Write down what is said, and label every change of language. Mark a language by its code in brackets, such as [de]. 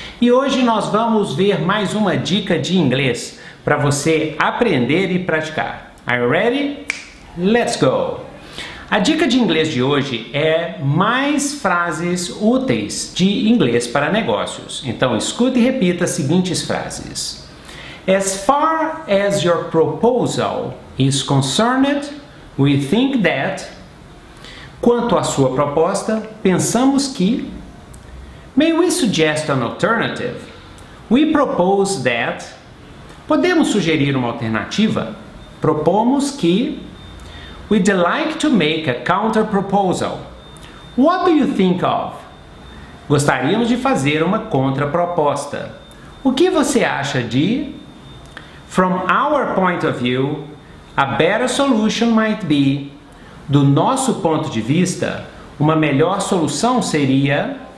[pt] E hoje nós vamos ver mais uma dica de inglês para você aprender e praticar. [en] Are you ready? Let's go! [pt] A dica de inglês de hoje é mais frases úteis de inglês para negócios. Então, escute e repita as seguintes frases. [en] As far as your proposal is concerned, we think that... [pt] Quanto à sua proposta, pensamos que... [en] May we suggest an alternative? We propose that... [pt] Podemos sugerir uma alternativa? Propomos que... [en] We'd like to make a counter-proposal. What do you think of? [pt] Gostaríamos de fazer uma contraproposta. O que você acha de? [en] From our point of view, a better solution might be... [pt] Do nosso ponto de vista, uma melhor solução seria...